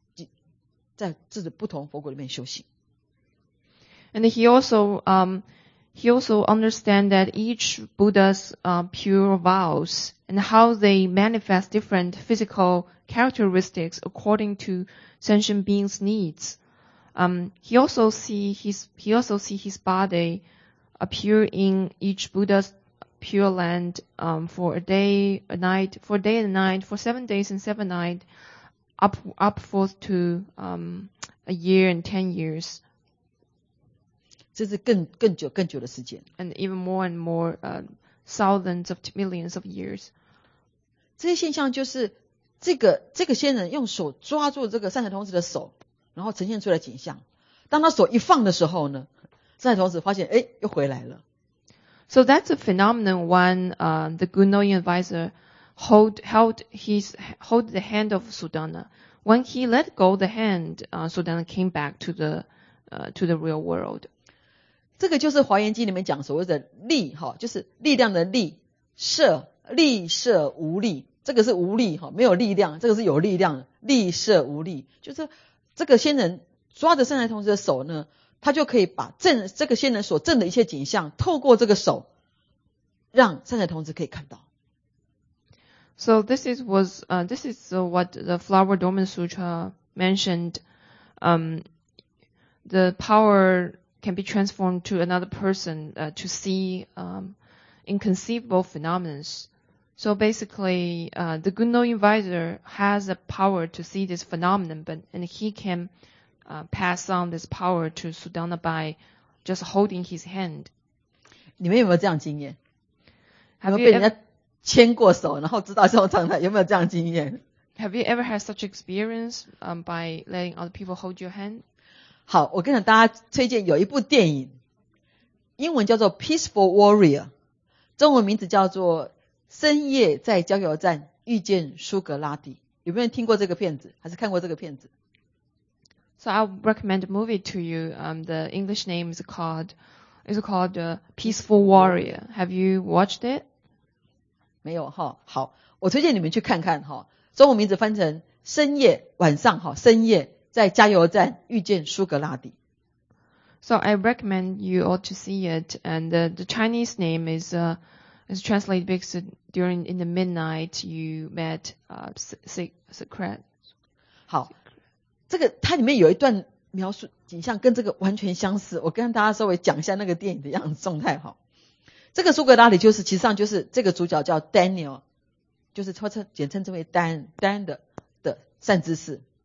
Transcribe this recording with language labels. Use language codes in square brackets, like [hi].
[zh] 好，同时呢，他也知道，知道每一尊佛的清净愿，然后怎么样随顺众生，视线怎么样的色相来教化一切众生。他又发现自己的身体呢，在各个诸佛的道场里面呢，经过一天一夜、七天七夜、半年半夜、十年百千年，经过那么多年、那么多年呢，在那边修行，在自己不同佛国里面修行。 [en] And he also understand that each Buddha's pure vows and how they manifest different physical characteristics according to sentient beings' needs. He also see his body appear in each Buddha's pure land for a day and a night, for 7 days and seven nights, up forth to a year and 10 years. [zh] 这是更久更久的时间，and [en] even more and more thousands of millions of years. [zh] 这些现象就是这个先人用手抓住这个善财童子的手，然后呈现出来景象。当他手一放的时候呢，善财童子发现，哎，又回来了。 [en] So that's a phenomenon when the good knowing advisor hold the hand of Sudana. When he let go the hand, Sudana came back to the real world. [zh] 这个就是华严经里面讲所谓的力，就是力量的力，摄力摄无力。这个是无力，没有力量，这个是有力量，力摄无力。就是这个仙人抓着善财童子的手呢，他就可以把这个仙人所证的一切景象透过这个手让善财童子可以看到。 [en] So this is what the Flower Dormant Sutra mentioned. The power can be transformed to another person to see inconceivable phenomena. So basically, the good knowing advisor has a power to see this phenomenon, and he can pass on this power to Sudana by just holding his hand. [zh] 你们有没有这样经验？有没有被人家牵过手，然后知道这种状态？有没有这样经验 [en] ？Have you ever had such experience by letting other people hold your hand? [zh] 好，我跟大家推荐有一部电影，英文叫做《Peaceful Warrior》，中文名字叫做《深夜在加油站遇见苏格拉底》。有没有听过这个片子？还是看过这个片子 [en] ？So I'll recommend a movie to you. The English name is called Peaceful Warrior. Have you watched it? [zh] 没有哈，好，我推荐你们去看看哈。中文名字翻成深夜晚上哈，深夜在加油站遇见苏格拉底。 [en] So I recommend you all to see it, and the Chinese name is translated because in the midnight you met Socrates. [zh] 好，这个它里面有一段描述景象跟这个完全相似。我跟大家稍微讲一下那个电影的样子状态哈。这个苏格拉底就是，其实上就是这个主角叫 Daniel， 就是简称之为 Dan 的善知识。